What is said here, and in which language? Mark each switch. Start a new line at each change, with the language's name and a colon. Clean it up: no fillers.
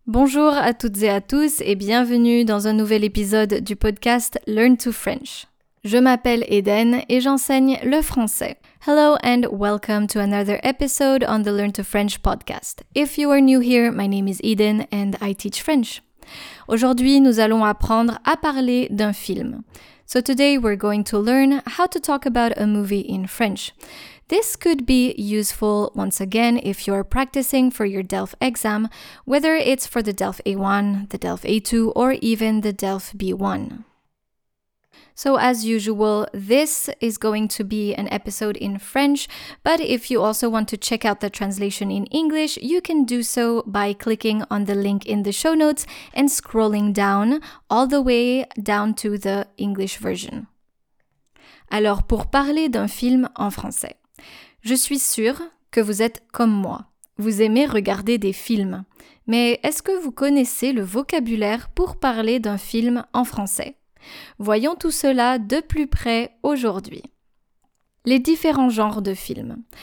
French: Bonjour à toutes et à tous et bienvenue dans un nouvel épisode du podcast Learn to French. Je m'appelle Eden et j'enseigne le français.
English: Hello and welcome to another episode on the Learn to French podcast. If you are new here, my name is Eden and I teach French.
French: Aujourd'hui, nous allons apprendre à parler d'un film.
English: So today we're going to learn how to talk about a movie in French. This could be useful, once again, if you're practicing for your DELF exam, whether it's for the DELF A1, the DELF A2, or even the DELF B1. So as usual, this is going to be an episode in French, but if you also want to check out the translation in English, you can do so by clicking on the link in the show notes and scrolling down, all the way down to the English version.
French: Alors, pour parler d'un film en français. Je suis sûre que vous êtes comme moi. Vous aimez regarder des films. Mais est-ce que vous connaissez le vocabulaire pour parler d'un film en français? Voyons tout cela de plus près aujourd'hui. Les différents genres de films.